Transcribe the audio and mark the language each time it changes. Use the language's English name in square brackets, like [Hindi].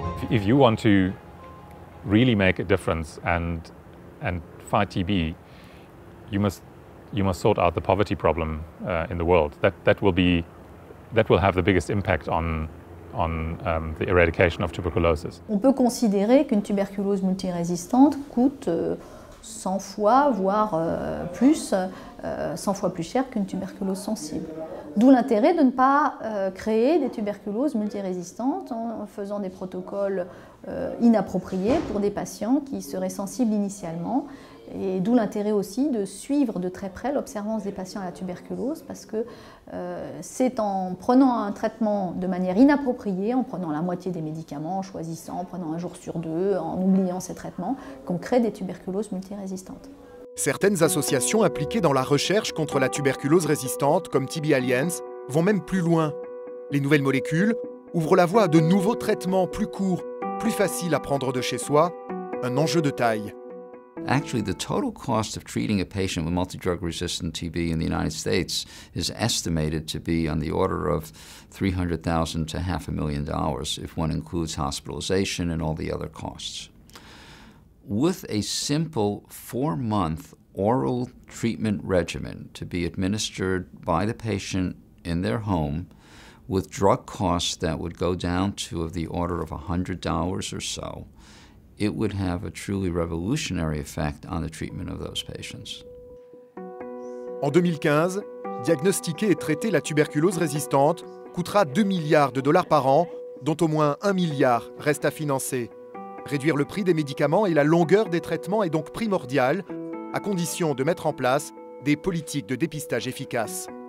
[English] If you want to really make a difference and fight TB, you must sort out the poverty problem in the world. That will have the biggest impact on the eradication of tuberculosis. [French] On peut considérer qu'une tuberculose multirésistante coûte 100 fois, voire plus, 100 fois plus cher qu'une tuberculose sensible. D'où l'intérêt de ne pas créer des tuberculoses multirésistantes en faisant des protocoles inappropriés pour des patients qui seraient sensibles initialement. Et d'où l'intérêt aussi de suivre de très près l'observance des patients à la tuberculose, parce que c'est en prenant un traitement de manière inappropriée, en prenant la moitié des médicaments, en choisissant, en prenant un jour sur deux, en oubliant ces traitements, qu'on crée des tuberculoses multirésistantes. Certaines associations impliquées dans la recherche contre la tuberculose résistante, comme TB Alliance, vont même plus loin. Les nouvelles molécules ouvrent la voie à de nouveaux traitements plus courts, plus faciles à prendre de chez soi, un enjeu de taille. [English] Actually, the total cost of treating a patient with multidrug-resistant TB in the United States is estimated to be on the order of $300,000 to $500,000 if one includes hospitalization and all the other costs. With a simple four-month oral treatment regimen to be administered by the patient in their home, with drug costs that would go down to of the order of $100 or so, it would have a truly revolutionary effect on the treatment of those patients. [French] En 2015, diagnostiquer et traiter la tuberculose résistante coûtera 2 milliards de dollars par an, dont au moins 1 milliard reste à financer. Réduire le prix des médicaments et la longueur des traitements est donc primordial, à condition de mettre en place des politiques de dépistage efficaces.